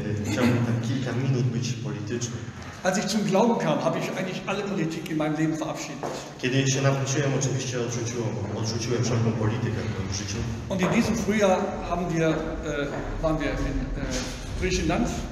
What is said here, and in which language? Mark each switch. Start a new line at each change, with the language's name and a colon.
Polish: Chciałbym tam kilka minut być polityczny.
German: Als ich zum Glauben kam, habe ich eigentlich alle Politik in meinem Leben verabschiedet.
Polish: Kiedy się nawróciłem, oczywiście odrzuciłem wszelką politykę w moim życiu.
German: Und in diesem Frühjahr waren wir in Griechenland.